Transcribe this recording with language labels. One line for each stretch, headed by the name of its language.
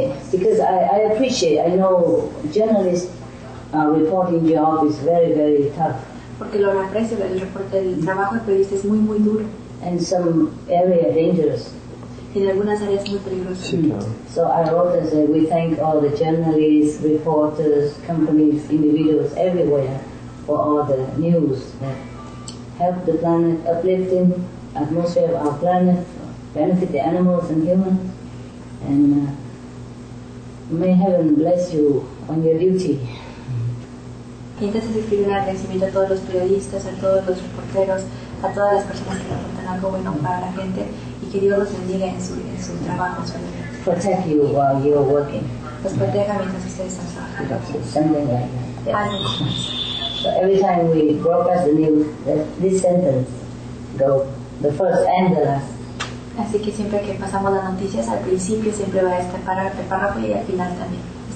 English: Because I appreciate, I know journalists reporting job is very, very tough.
Spanish: Porque lo aprecio, el trabajo de periodista es muy, muy duro.
English: And some area dangerous.
Spanish: En algunas áreas muy peligrosas. Sí, claro.
English: So I wrote and said, we thank all the journalists, reporters, companies, individuals, everywhere, for all the news that help the planet, uplifting atmosphere of our planet, benefit the animals and humans. And may heaven bless you on your duty.
Spanish: Entonces escribí un agradecimiento a todos los periodistas, a todos los reporteros, a todas las personas que aportan algo bueno para la gente y que Dios los bendiga en su trabajo.
English: Protect you while you're working.
Spanish: Los proteja mientras ustedes están trabajando.
English: Something like that. Yes. So every time we broadcast the news, this sentence go the first and the last.
Spanish: Así que siempre que pasamos las noticias, al principio siempre va a estar para el párrafo y al final también.